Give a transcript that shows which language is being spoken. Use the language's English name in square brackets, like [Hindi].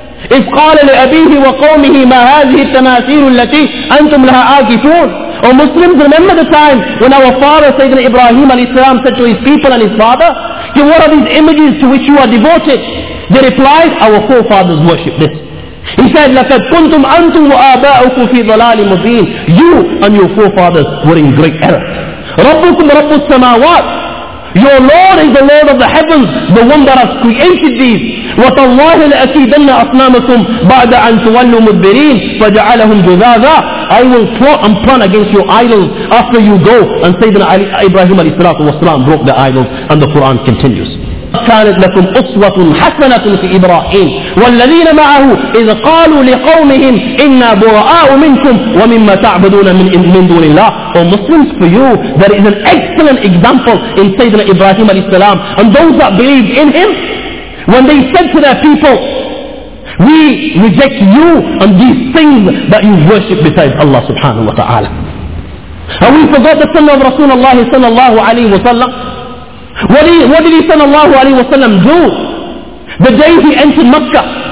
[Arabic] إِذْ قَالَ لِأَبِيهِ وَقَوْمِهِ مَا هَذِهِ التَّمَاثِيلُ الَّتِي أَنْتُمْ لَهَا آكِفُونَ. [English] Oh Muslims, remember the time when our father Sayyidina Ibrahim alayhi salam said to his people and his father, "Okay, what are these images to which you are devoted?" They replied, "Our forefathers worship this." He said, [Arabic] "لَقَدْ كُنْتُمْ أَنْتُمْ وَآبَاؤُكُمْ فِي ضَلَالٍ مُبِينٍ." [English] You and your forefathers were in great error. [Arabic] رَبُّكُمْ رَبُّ السَّمَاوَاتِ. [English] Your Lord is the Lord of the heavens, the one that has created these. [Arabic] وَتَاللَّهِ لَأَكِيدَنَّ أَصْنَامَكُمْ بَعْدَ أَن تُوَلُّوا مُدْبِرِينَ فَجَعَلَهُمْ جُذَاذًا. [English] I will plot and plan against your idols after you go. And Sayyidina Ali, Ibrahim alayhi salatu wasalam broke the idols, and the Quran continues. [Arabic] كانت لكم أسوة حسنة في إبراهيم والذين معه إذ قالوا لقومهم إنا براء منكم ومما تعبدون من دون الله. [English] Oh Muslims, for you there is an excellent example in Sayyidina Ibrahim alayhi salam and those that believe in him, when they said to their people, "We reject you and these things that you worship besides Allah subhanahu wa ta'ala." Have we forgot the sunnah of Rasulullah sallallahu alayhi wa sallam? What did he sallallahu alayhi wa sallam do the day he entered Makkah?